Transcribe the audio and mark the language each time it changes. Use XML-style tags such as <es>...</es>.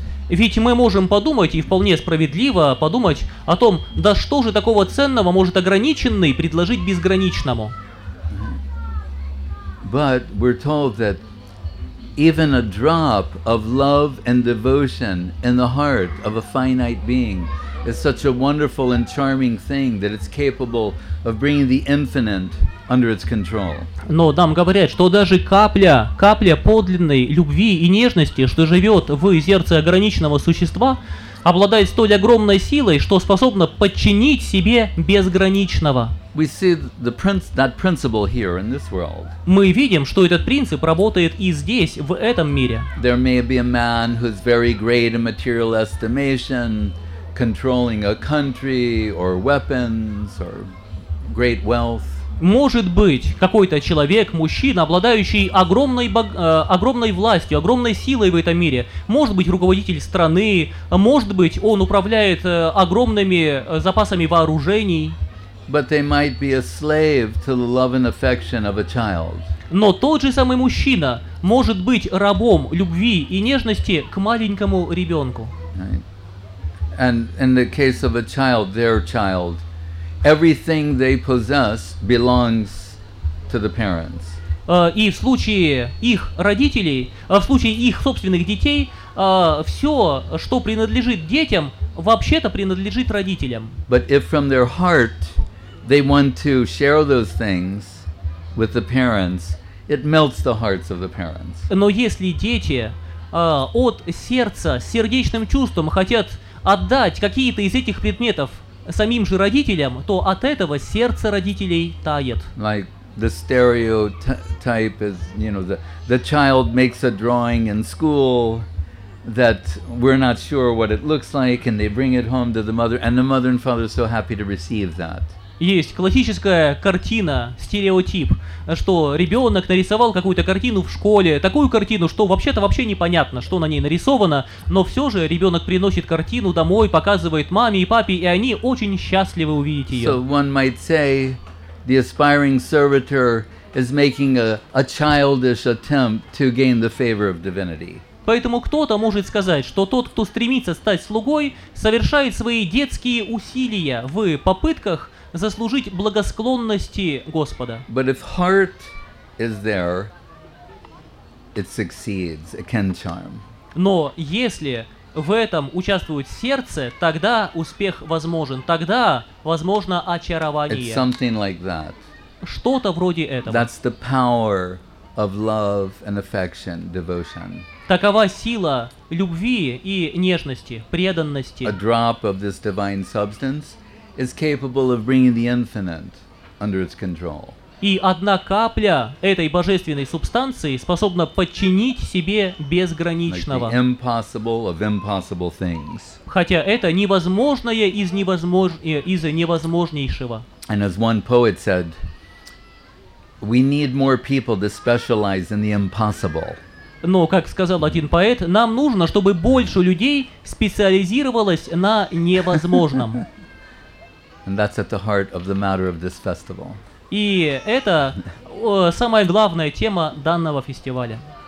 <ru>Ведь мы можем подумать, и вполне справедливо подумать о том, да что же такого ценного может ограниченный предложить безграничному.</ru> <en>But we're told that even a drop of love and devotion in the heart of a finite being is such a wonderful and charming thing that it's capable of bringing the infinite under its control.</en> <ru>Но нам говорят, что даже капля подлинной любви и нежности, что живет в сердце ограниченного существа, обладает столь огромной силой, что способна подчинить себе безграничного.</ru> <en>We see that principle here in this world.</en> <ru>Мы видим, что этот принцип работает и здесь, в этом мире.</ru> <en>There may be a man who's very great in material estimation, controlling a country or weapons or great wealth.</en> <ru>Может быть, какой-то человек, мужчина, обладающий огромной властью, огромной силой в этом мире, может быть, руководитель страны, может быть, он управляет огромными запасами вооружений.</ru> <en>But they might be a slave to the love and affection of a child.</en> <ru>Но тот же самый мужчина может быть рабом любви и нежности к маленькому ребенку.</ru> <en>Right. And in the case of a child, their child, everything they possess belongs to the parents.</en> <ru>И в случае их родителей, в случае их собственных детей, все, что принадлежит детям, вообще-то принадлежит родителям.</ru> <en>But if from their heart they want to share those things with the parents, it melts the hearts of the parents.</en> <ru>Но если дети от сердца, с сердечным чувством хотят отдать какие-то из этих предметов самим же родителям, то от этого сердце родителей тает.</ru> <en>Like the stereotype is, you know, the child makes a drawing in school that we're not sure what it looks like, and they bring it home to the mother, and the mother and father are so happy to receive that.</en> <ru>Есть классическая картина, стереотип, что ребенок нарисовал какую-то картину в школе, такую картину, что вообще-то вообще непонятно, что на ней нарисовано, но все же ребенок приносит картину домой, показывает маме и папе, и они очень счастливы увидеть ее.</ru> <en>So one might say the aspiring servitor is making a childish attempt to gain the favor of divinity.</en> <ru>Поэтому кто-то может сказать, что тот, кто стремится стать слугой, совершает свои детские усилия в попытках заслужить благосклонности Господа.</ru> <en>But if heart is there, it succeeds, it can charm.</en> <ru>Но если в этом участвует сердце, тогда успех возможен, тогда возможно очарование.</ru> <en>It's something like that.</en> <ru>Что-то вроде этого.</ru> <en>That's the power of love and affection, devotion.</en> <ru>Такова сила любви и нежности, преданности.</ru> <en>A drop of this divine substance is capable of bringing the infinite under its control.</en> <ru>И одна капля этой божественной субстанции способна подчинить себе безграничного.</ru> <en>Like the impossible of impossible things.</en> <ru>Хотя это невозможное из невозможнейшего.</ru> <en>And as one poet said, we need more people to specialize in the impossible.</en> <ru>Но, как сказал один поэт, нам нужно, чтобы больше людей специализировалось на невозможном.</ru> <en>And that's at the heart of the matter of this festival.</en> <ru>И это самая главная тема данного фестиваля.</ru>